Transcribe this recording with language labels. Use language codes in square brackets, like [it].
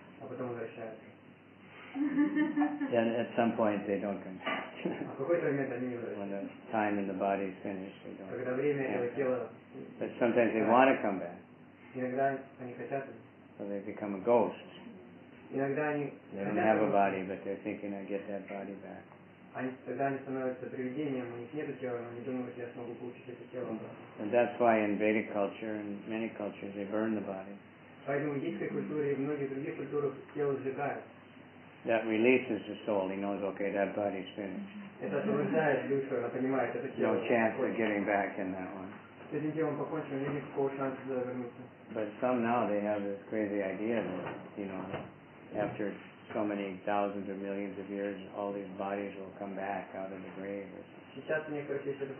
[en] Then at some point they don't come back. When the time in the body is finished, they don't come back. But sometimes they want to come back. [ru] Иногда они хотят. [en] So they become a ghost. [ru] Иногда они. [en] They don't have a body, but they're thinking I get that body back. [ru] Они тогда они становятся привидением, у них нет тела, но они думают, я смогу получить это тело. [en] And that's why in Vedic culture and many cultures they burn the body. [ru] Поэтому в индийской культуре и в многих других культурах тело сжигают. [en] That releases the soul. He knows, okay, that body's finished. [ru] Это освобождает душу, она понимает, это тело. [en] No chance of getting back in that one. But some now they have this crazy idea that, you know, after so many thousands or millions of years, all these bodies will come back out of the grave or